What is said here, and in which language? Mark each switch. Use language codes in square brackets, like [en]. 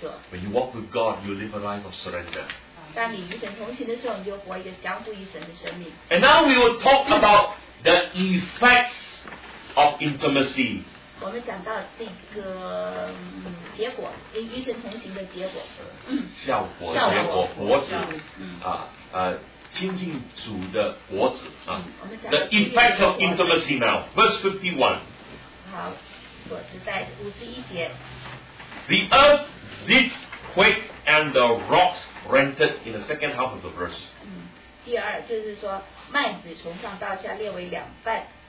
[en] When you walk with God, you live a life of surrender. And now we will talk about the effects of intimacy. [zh] 我们讲到这个结果，与神同行的结果，效果结果果子啊，亲近主的果子啊。 [en] The effect of intimacy now, verse 51. [zh] 好，果子在五十一节。 [en] The earth did quake and the rocks rented in the second half of the verse. [zh] 第二就是说，麦子从上到下裂为两半。